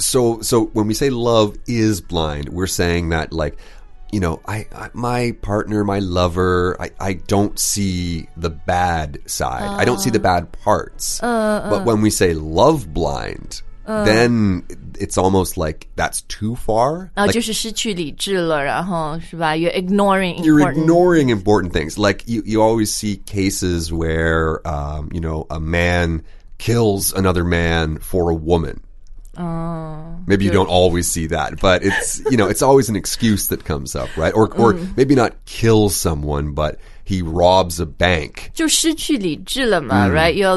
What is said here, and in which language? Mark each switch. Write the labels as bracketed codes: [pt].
[en] So when we say love is blind, we're saying that like, you know, my partner, my lover, I don't see the bad side. I don't see the bad parts. But when we say love blind, then it's almost like that's too far. [zh] 就是失去理智了，然后是吧 [en] You're ignoring important things. Like you always see cases where, you know, a man kills another man for a woman. Maybe you don't always see that, but it's, you know, it's always an excuse that comes up, right? Or maybe not kill someone, but he robs a bank. [zh] 就失去理智了嘛, right?